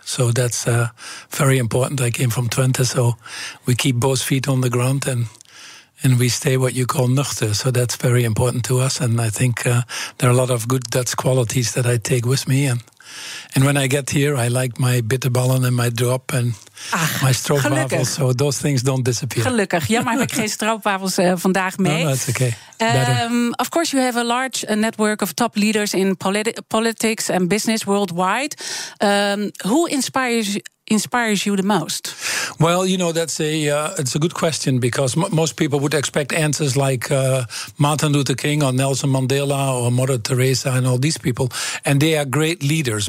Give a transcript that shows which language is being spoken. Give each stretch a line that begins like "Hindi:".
English: So that's very important. I came from Twente, so we keep both feet on the ground and we stay what you call nuchter. So that's very important to us. And I think there are a lot of good Dutch qualities that I take with me. And when I get here, I like my bitterballen and my drop and my stroopwafels. So those things don't disappear.
Dutch: Gelukkig. Jammer, heb ik geen stroopwafels vandaag mee.
English: No, that's okay. Of course, you have a large network of top leaders in politics and business worldwide. Who inspires you the most? Well, you know, that's it's a good question, because most people would expect answers like Martin Luther King or Nelson Mandela or Mother Teresa and all these people, and they are great leaders.